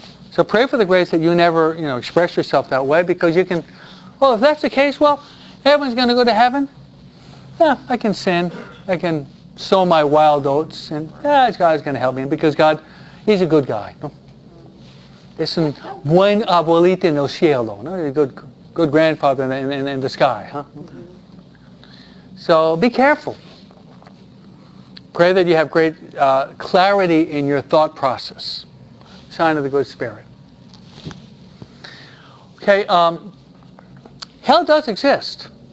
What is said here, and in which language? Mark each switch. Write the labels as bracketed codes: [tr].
[en] So pray for the grace that you never, you know, express yourself that way, because you can, well, if that's the case, well, everyone's going to go to heaven. Yeah, I can sin. I can sow my wild oats, and yeah, God's going to help me, because God, he's a good guy. It's an [es] buen abuelito en el cielo, no? [en] A good grandfather in the sky, huh? So be careful. Pray that you have great clarity in your thought process. Sign of the good spirit. Okay, hell does exist.